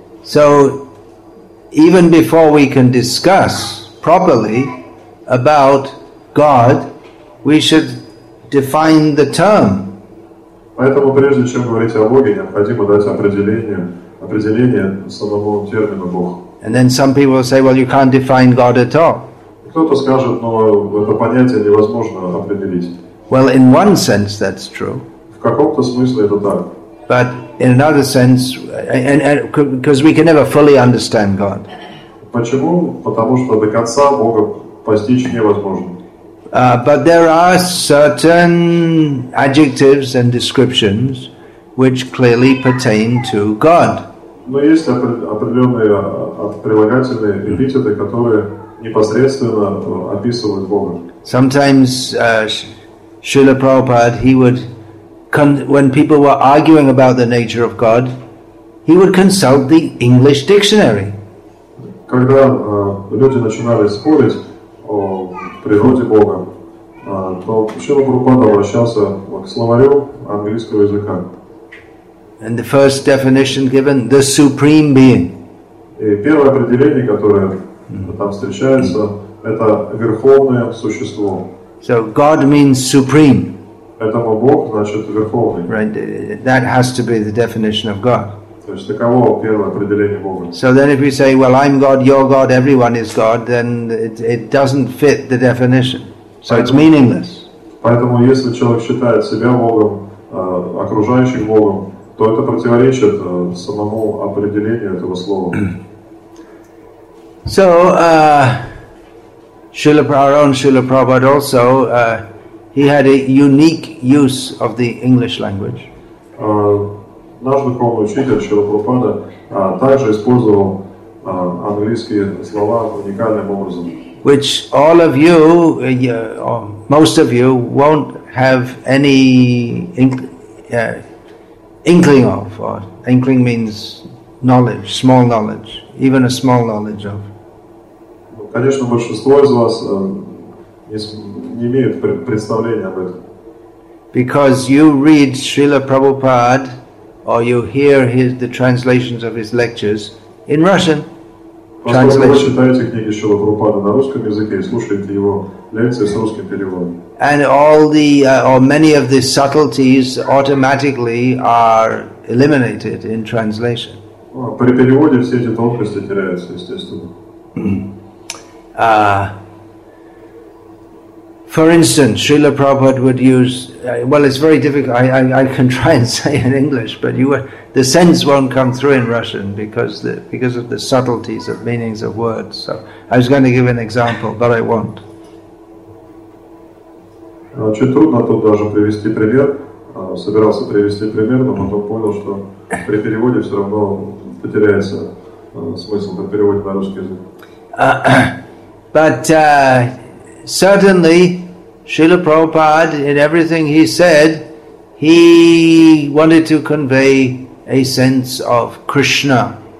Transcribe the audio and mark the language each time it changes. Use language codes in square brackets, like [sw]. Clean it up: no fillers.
[en] So, even before we can discuss properly about God, we should define the term. [ru] Поэтому прежде чем говорить о Боге, необходимо дать определение самому термину Бог. [en] And then some people say, well, you can't define God at all. [ru] Кто-то скажет, но это понятие невозможно определить. [en] Well, in one sense, that's true. [ru] В каком-то смысле это так. [en] But in another sense, because we can never fully understand God. [ru] Почему? Потому что до конца Бога постичь невозможно. [en] But there are certain adjectives and descriptions which clearly pertain to God. [ru] Но есть определенные прилагательные эпитеты, которые непосредственно описывают Бога. [en] Sometimes Srila Prabhupada, when people were arguing about the nature of God, he would consult the English dictionary. [ru] Когда люди начинали спорить о природе Бога, то Шрила Прабхупада обращался к словарю английского языка. [en] And the first definition given, the Supreme Being. [ru] И первое определение, которое там встречается, это верховное существо. [en] So God means supreme. [ru] Поэтому Бог значит верховный. [en] Right. That has to be the definition of God. [ru] То есть таково первое определение Бога. [en] So then if we say, well, I'm God, you're God, everyone is God, then it doesn't fit the definition. So it's meaningless. [ru] Поэтому если человек считает себя Богом, окружающим Богом, то это противоречит самому определению этого слова. [en] So, Srila Prabhupada also, he had a unique use of the English language. [ru] Наш духовный учитель Шрила Прабхупада также использовал английские слова уникальным образом. [en] Which all of you, or most of you, won't have any inkling of. Or inkling means knowledge, small knowledge, even a small knowledge of. [ru] Конечно, большинство из вас не имеют представления об этом. [en] Because you read Srila Prabhupada or you hear the translations of his lectures in Russian. Translation. [ru] Поскольку вы читаете книги Шрилы Прабхупады на русском языке и слушаете его лекции с русским переводом. [en] And all the or many of the subtleties automatically are eliminated in translation. [ru] При переводе все эти тонкости теряются, естественно. [en] For instance, Srila Prabhupada would use, well, it's very difficult, I can try and say in English, but the sense won't come through in Russian because of the subtleties of meanings of words. So I was going to give an example, but I won't. [ru] Чуть трудно тут даже привести пример, собирался привести пример, но потом понял, что при переводе все равно потеряется смысл при переводе на русский язык. [en] But certainly, Srila Prabhupada, in everything he said, he wanted to convey a sense of Krishna.